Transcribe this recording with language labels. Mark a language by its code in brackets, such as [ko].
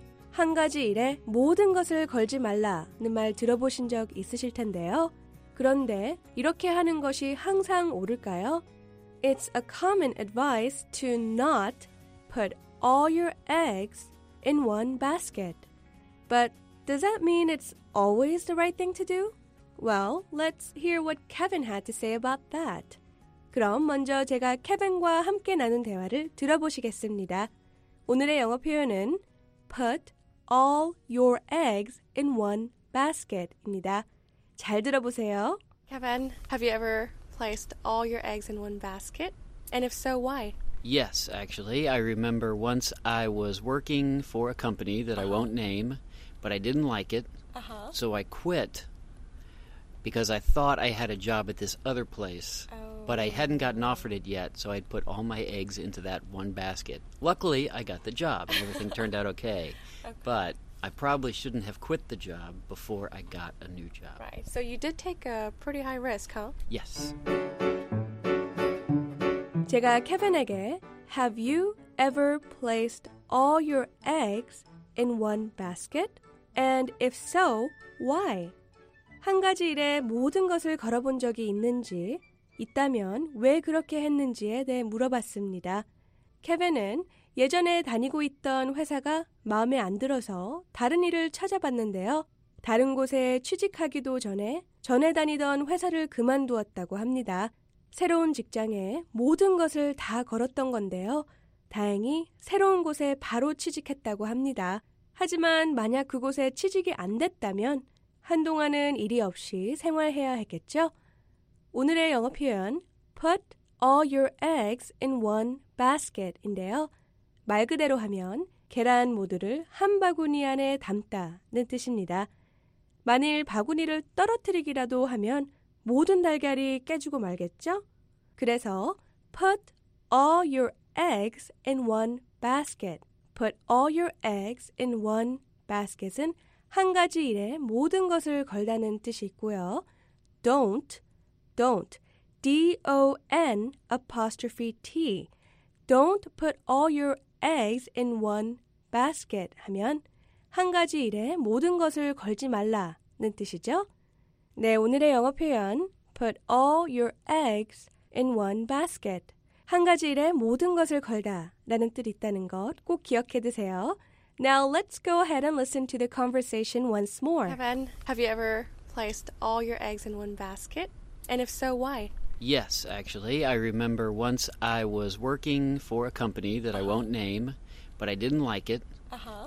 [ko] 한 가지 일에 모든 것을 걸지 말라는 말 들어보신 적 있으실 텐데요. 그런데 이렇게 하는 것이 항상 옳을까요? [en] It's a common advice to not put all your eggs in one basket. But does that mean it's always the right thing to do? Well, let's hear what Kevin had to say about that. [ko] 그럼 먼저 제가 케빈과 함께 나눈 대화를 들어보시겠습니다. 오늘의 영어 표현은 put all your eggs in one basket입니다. 잘 들어보세요. [en] Kevin, have you ever placed all your eggs in one basket? And if so, why? Yes, actually. I remember once I was working for a company that I won't name, but I didn't like it. So I quit because I thought I had a job at this other place, but I hadn't gotten offered it yet, so I'd put all my eggs into that one basket. Luckily, I got the job and everything turned out okay. But I probably shouldn't have quit the job before I got a new job. Right. So you did take a pretty high risk, huh? Yes. [ko] 제가 케빈에게 [en] Have you ever placed all your eggs in one basket? And if so, why? [ko] 한 가지 일에 모든 것을 걸어본 적이 있는지, 있다면 왜 그렇게 했는지에 대해 물어봤습니다. 케빈은 예전에 다니고 있던 회사가 마음에 안 들어서 다른 일을 찾아봤는데요. 다른 곳에 취직하기도 전에 다니던 회사를 그만두었다고 합니다. 새로운 직장에 모든 것을 다 걸었던 건데요. 다행히 새로운 곳에 바로 취직했다고 합니다. 하지만 만약 그곳에 취직이 안 됐다면 한동안은 일이 없이 생활해야 했겠죠? 오늘의 영어 표현, put all your eggs in one basket인데요. 말 그대로 하면 계란 모두를 한 바구니 안에 담다는 뜻입니다. 만일 바구니를 떨어뜨리기라도 하면 모든 달걀이 깨지고 말겠죠? 그래서 put all your eggs in one basket. Put all your eggs in one basket은 한 가지 일에 모든 것을 걸다는 뜻이 있고요. [en] Don't, D-O-N apostrophe T. Don't put all your eggs in one basket [ko] 하면 한 가지 일에 모든 것을 걸지 말라는 뜻이죠. 네, 오늘의 영어 표현 put all your eggs in one basket. 한 가지 일에 모든 것을 걸다 라는 뜻이 있다는 것 꼭 기억해 두세요. [en] Now let's go ahead and listen to the conversation once more. Kevin, have you ever placed all your eggs in one basket? And if so, why? Yes, actually. I remember once I was working for a company that I won't name, but I didn't like it. Uh-huh.